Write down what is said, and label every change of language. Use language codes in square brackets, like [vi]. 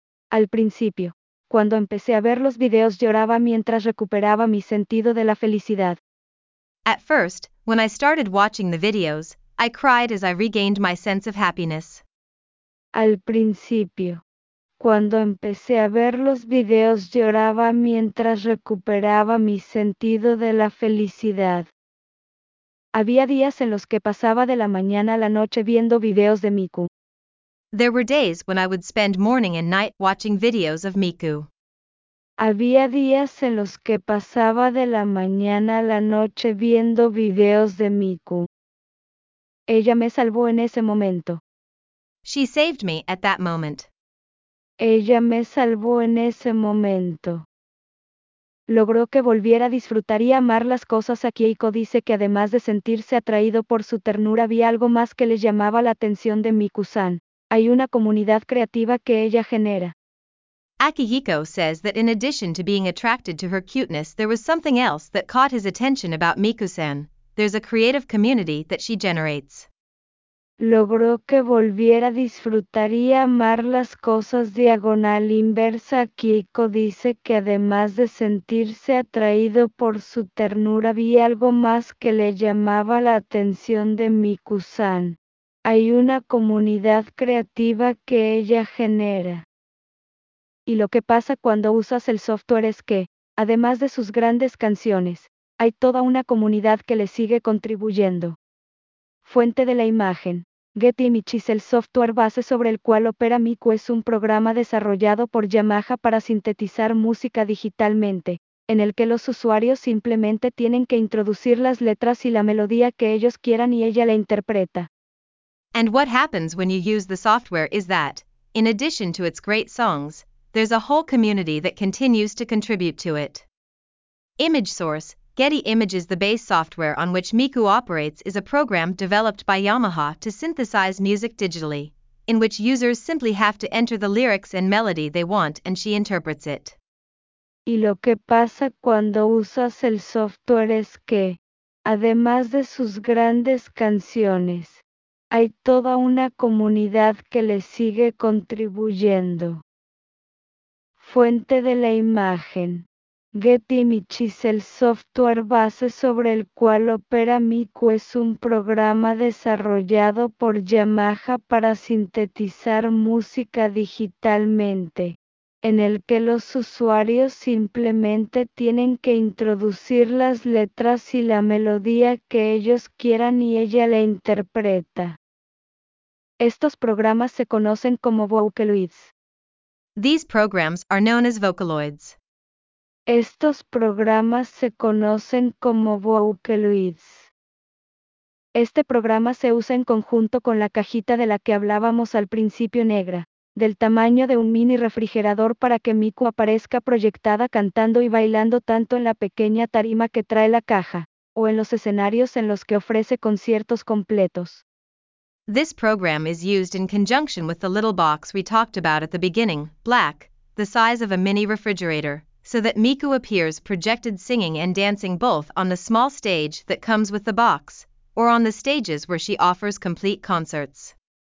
[es] Al principio, cuando empecé a ver los videos, lloraba mientras recuperaba mi sentido de la felicidad. [en] At first, when I started watching the videos, I cried as I regained my sense of happiness. [es] Al principio. Cuando empecé a ver los videos lloraba mientras recuperaba mi sentido de la felicidad. Había días en los que pasaba de la mañana a la noche viendo videos de Miku. [en] There were days when I would spend morning and night watching videos of Miku. [es] Había días en los que pasaba de la mañana a la noche viendo videos de Miku. Ella me salvó en ese momento. [en] She saved me at that moment. [es] Ella me salvó en ese momento. Logró que volviera a disfrutar y amar las cosas. A Kiiko dice que además de sentirse atraído por su ternura, había algo más que les llamaba la atención de Miku-san. Hay una comunidad creativa que ella genera. [en] Akihiko says that in addition to being attracted to her cuteness, there was something else that caught his attention about Miku-san. There's a creative community that she generates. [es] Logró que volviera a disfrutar y amar las cosas. Diagonal inversa. Kiko dice que además de sentirse atraído por su ternura, había algo más que le llamaba la atención de Miku-san. Hay una comunidad creativa que ella genera. Y lo que pasa cuando usas el software es que, además de sus grandes canciones, hay toda una comunidad que le sigue contribuyendo. Fuente de la imagen. Getty Images. El software base sobre el cual opera Miku es un programa desarrollado por Yamaha para sintetizar música digitalmente, en el que los usuarios simplemente tienen que introducir las letras y la melodía que ellos quieran y ella la interpreta. [en] And what happens when you use the software is that, in addition to its great songs, there's a whole community that continues to contribute to it. Image Source, Getty Images. The base software on which Miku operates is a program developed by Yamaha to synthesize music digitally, in which users simply have to enter the lyrics and melody they want and she interprets it. [es] Y lo que pasa cuando usas el software es que, además de sus grandes canciones, hay toda una comunidad que le sigue contribuyendo. Fuente de la imagen. Getty Images. El software base sobre el cual opera Miku es un programa desarrollado por Yamaha para sintetizar música digitalmente, en el que los usuarios simplemente tienen que introducir las letras y la melodía que ellos quieran y ella la interpreta. Estos programas se conocen como Vocaloids. [en] These programs are known as Vocaloids. [es] Estos programas se conocen como Vocaloids. Este programa se usa en conjunto con la cajita de la que hablábamos al principio, negra, del tamaño de un mini refrigerador, para que Miku aparezca proyectada cantando y bailando tanto en la pequeña tarima que trae la caja, o en los escenarios en los que ofrece conciertos completos. [en] This program is used in conjunction with the little box we talked about at the beginning, black, the size of a mini refrigerator, so that Miku appears projected singing and dancing both on the small stage that comes with the box, or on the stages where she offers complete concerts.